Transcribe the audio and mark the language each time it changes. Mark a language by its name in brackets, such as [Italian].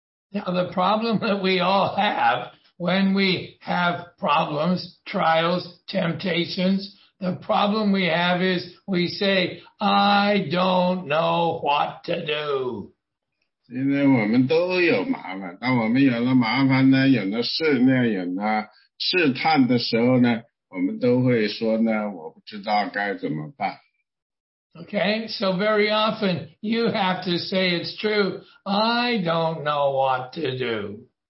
[English] Now the problem that we all have when we have problems, trials, temptations, the problem we have is we say, I don't know what to do. [Chinese] 现在我们都有麻烦，当我们有了麻烦呢，有了试炼，有了试探的时候呢，我们都会说呢，我不知道该怎么办。 [English] Okay, so very often you have to say it's true, I don't know what to do.